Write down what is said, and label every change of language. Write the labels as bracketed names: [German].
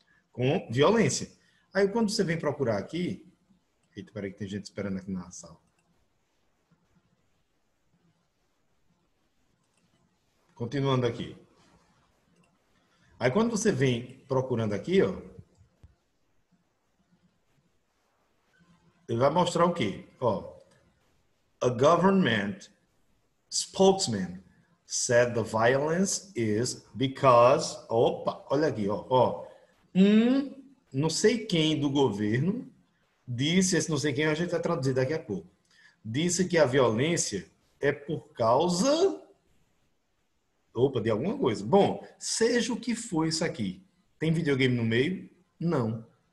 [Portuguese] Com violência. Aí, quando você vem procurar aqui. Eita, peraí, que tem gente esperando aqui na sala. Continuando aqui. Aí, quando você vem procurando aqui, ó. Ele vai mostrar o quê? [English] Ó, a government spokesman said the violence is because. [Portuguese] Opa, olha aqui, ó. Não sei quem do governo disse, esse não sei quem, a gente vai traduzir daqui a pouco. Disse que a violência é por causa. Opa, de alguma coisa. Bom, seja o que for isso aqui. Tem videogame no meio? Não.